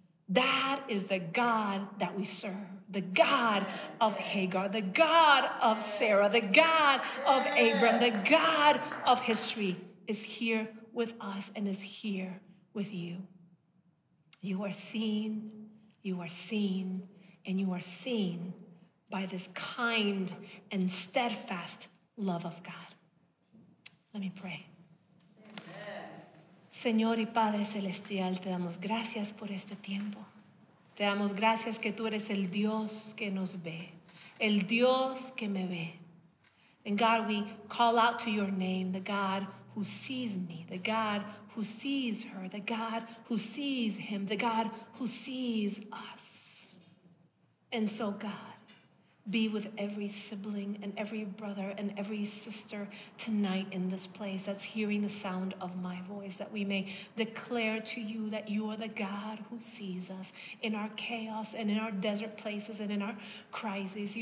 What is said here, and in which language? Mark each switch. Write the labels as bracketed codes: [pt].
[en] That is the God that we serve, the God of Hagar, the God of Sarah, the God of Abram, the God of history is here with us and is here with you. You are seen, you are seen, and you are seen by this kind and steadfast love of God. Let me pray. [es] Señor y Padre Celestial, te damos gracias por este tiempo. Te damos gracias que tú eres el Dios que nos ve, el Dios que me ve. [en] And God, we call out to your name, the God who sees me, the God who sees her, the God who sees him, the God who sees us. And so, God, be with every sibling and every brother and every sister tonight in this place that's hearing the sound of my voice, that we may declare to you that you are the God who sees us in our chaos and in our desert places and in our crises.